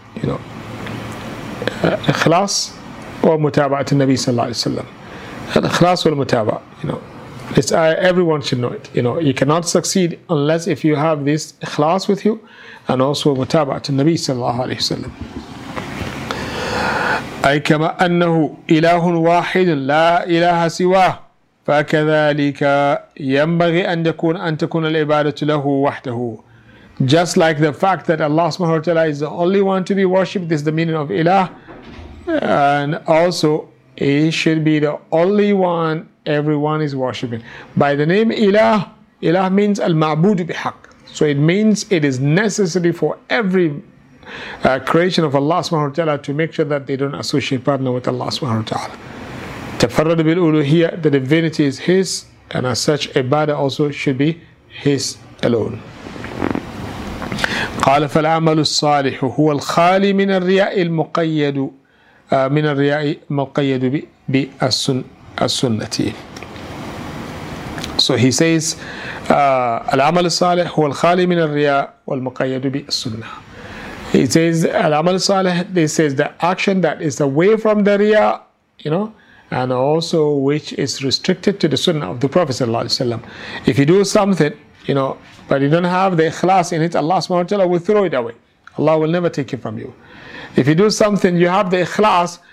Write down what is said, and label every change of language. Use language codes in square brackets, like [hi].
[en] You know, ikhlas or mutaba'at al-Nabi sallallahu alayhi wa sallam. Ikhlas or mutaba'at, you know. This ayah, everyone should know it. You know, you cannot succeed unless if you have this ikhlas with you, and also mutaba'at to Nabi sallallahu alayhi wa sallam. [ar] أي كما أنه إله واحد لا إله سواه فكذلك ينبغي أن يكون أن تكون العبادة له وحده. [en] Just like the fact that Allah subhanahu wa ta'ala is the only one to be worshipped, this is the meaning of ilah. And also, he should be the only one everyone is worshipping. By the name ilah, ilah means al-ma'budu bihaq. So it means it is necessary for every creation of Allah subhanahu wa ta'ala to make sure that they don't associate partner with Allah subhanahu wa ta'ala. Tafarrad bil uluhiyya, the divinity is his, and as such, ibadah also should be his alone. [ar] قَالَ فَالْعَمَلُ الصَّالِحُ هُوَ الْخَالِي مِنَ الرِّيَاءِ الْمُقَيَّدُ مِنَ الرِّيَاءِ مُقَيَّدُ بِالسُّنَّةِ. [en] So he says, [ar] الْعَمَلُ الصَّالِحُ هُوَ الْخَالِي مِنَ الرِّيَاءِ وَالْمُقَيَّدُ بِالسُّنَّةِ. [en] He says, [ar] الْعَمَلُ الصَّالِحُ, [en] this is the action that is away from the riya, you know, and also which is restricted to the sunnah of the Prophet sallallahu alaihi wasallam. If you do something, you know, but you don't have the ikhlas in it, Allah subhanahu wa ta'ala will throw it away. Allah will never take it from you. If you do something, you have the ikhlas,